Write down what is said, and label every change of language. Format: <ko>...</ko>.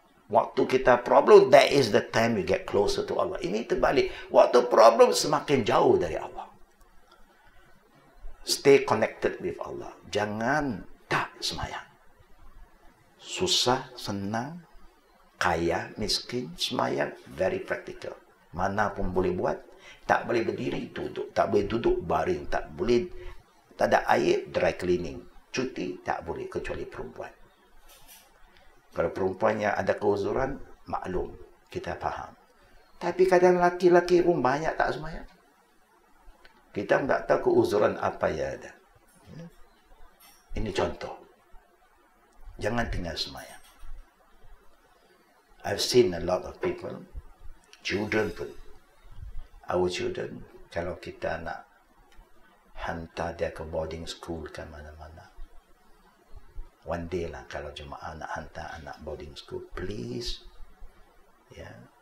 <ms>Waktu kita problem,</ms> <en>that is the time you get closer to Allah.</en> <ms>Ini terbalik. Waktu problem, semakin jauh dari Allah.</ms> <en>Stay connected with Allah.</en> <ms>Jangan tak semayang. Susah, senang, kaya, miskin, semayang,</ms> <en>very practical.</en> <ms>Mana pun boleh buat. Tak boleh berdiri, duduk. Tak boleh duduk, baring. Tak boleh, tak ada air,</ms> <en>dry cleaning.</en> <ms>Cuti, tak boleh, kecuali perempuan. Kalau perempuan yang ada keuzuran, maklum, kita faham. Tapi kadang laki-laki pun banyak tak semayang. Kita tak tahu keuzuran apa yang ada. Ini contoh. Jangan tinggal semayang.</ms> <en>I've seen a lot of people, children pun. Our children,</en> <ms>kalau kita nak hantar dia ke boarding school ke mana-mana.</ms> <en>One day</en> <ms>lah kalau jemaah nak hantar anak boarding school,</ms> <en>please.</en> <ms>Ya.</ms> <en>Yeah.</en>